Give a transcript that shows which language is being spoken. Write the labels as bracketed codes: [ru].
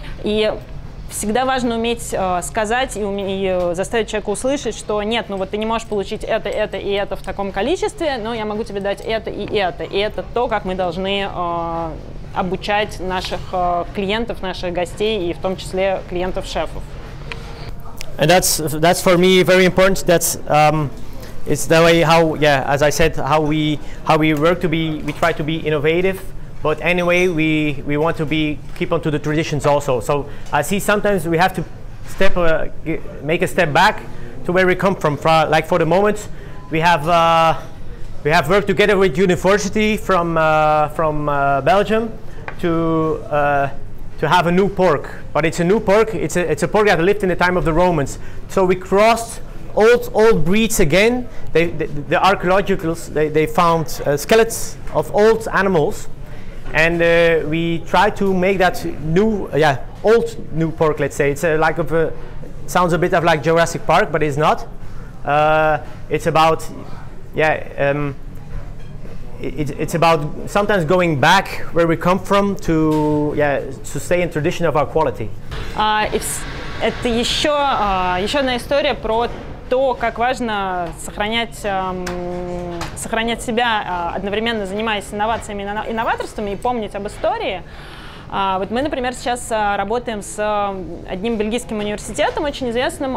[ru] И всегда важно уметь сказать и заставить человека услышать, что нет, ну вот ты не можешь получить это и это в таком количестве, но я могу тебе дать это, и это то, как мы должны обучать наших клиентов, наших гостей, и в том числе клиентов-шефов. [en] And that's for me very important. That's it's the way how, yeah, as I said, how we work to be, we try to be innovative, but anyway, we want to be keep on to the traditions also. So I see sometimes we have to make a step back to where we come from. Like for the moment, we have worked together with university from Belgium to have a new pork, but it's a new pork. It's a pork that lived in the time of the Romans. So we crossed old breeds again. The archaeologists they found skeletons of old animals, and we try to make that old new pork. Let's say sounds a bit of like Jurassic Park, but it's not. It's about sometimes going back where we come from to stay in tradition of our quality. [ru] Это еще одна история про то, как важно сохранять себя, одновременно занимаясь инновациями и новаторствами, и помнить об истории. Вот мы, например, сейчас работаем с одним бельгийским университетом очень известным.